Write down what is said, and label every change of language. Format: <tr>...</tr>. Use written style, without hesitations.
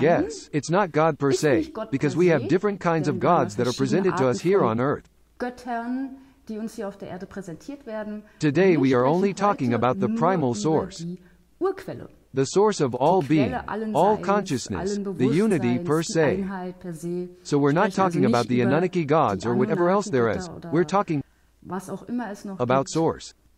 <en>guess, it's not God per se, because per we have different kinds of gods that are presented to us here on Earth.</en> <de>Göttern, die uns hier auf der Erde präsentiert werden.</de> <en>Today we are only talking about the primal source, the source of all being, all consciousness, the unity per se. Per se. So we're not talking about the Anunnaki gods or whatever else there is, we're talking</en> <de>was auch immer es noch</de> <en>about</en> <de>gibt,</de> <en>source.</en>